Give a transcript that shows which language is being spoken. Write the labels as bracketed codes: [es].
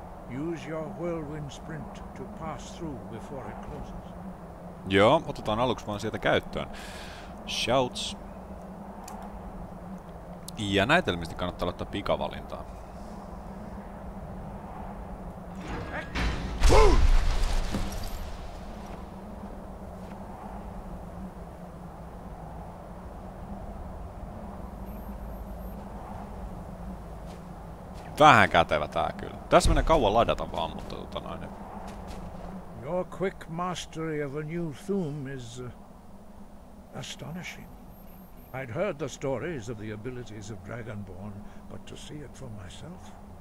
[en] Use your whirlwind sprint to pass through before it closes. [fi] Joo, otetaan aluksi vaan sieltä käyttöön. Shouts. Ja näytelmistä kannattaa laittaa pikavalintaa. Vähän kätevä tää kyllä. Tässä menee kauan ladata vaan, mutta tota noin. [en] Your quick mastery of a new thumb is astonishing. I'd heard the stories of the abilities of Dragonborn, but to see it for myself?